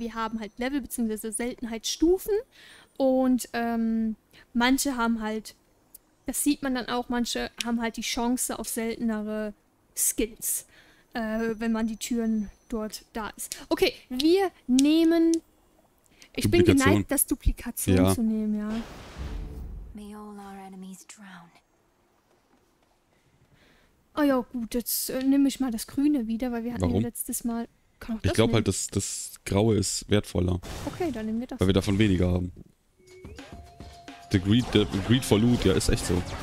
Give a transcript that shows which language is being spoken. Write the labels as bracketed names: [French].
[German] Wir haben halt Level bzw. Seltenheitsstufen. Und manche haben halt, das sieht man dann auch, manche haben halt die Chance auf seltenere Skills, wenn man die Türen dort da ist. Okay, wir nehmen, ich bin geneigt, das Duplikation zu nehmen, ja. [English] May all our enemies drown. [German] Oh ja, gut, jetzt nehme ich mal das Grüne wieder, weil wir hatten ja letztes Mal... Ich glaube halt, das Graue ist wertvoller. Okay, dann nehmen wir das. Weil wir davon weniger haben. [English] The greed for loot, [German] ja, ist echt so.